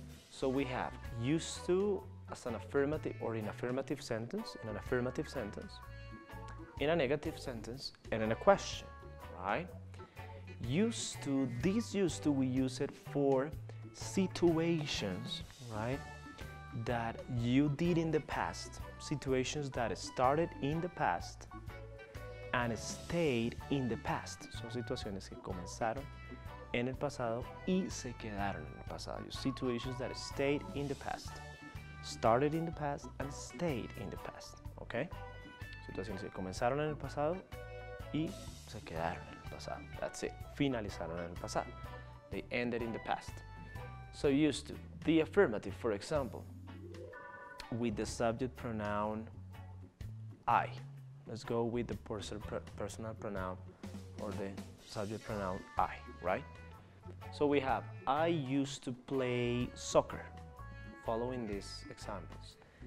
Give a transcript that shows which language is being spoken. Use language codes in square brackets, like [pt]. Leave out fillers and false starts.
[en] So we have used to as an affirmative or in affirmative sentence, in an affirmative sentence, in a negative sentence, and in a question, right? Used to, this used to, we use it for situations, right, that you did in the past, situations that started in the past and stayed in the past. [es] Son situaciones que comenzaron en el pasado y se quedaron en el pasado. [en] Situations that stayed in the past. Started in the past and stayed in the past, okay? [es] Situaciones que comenzaron en el pasado y se quedaron en el pasado. [en] That's it. [es] Finalizaron en el pasado. [en] They ended in the past. So used to. The affirmative, for example, with the subject pronoun I. Let's go with the personal pronoun or the subject pronoun I, right? So we have, I used to play soccer. Following these examples.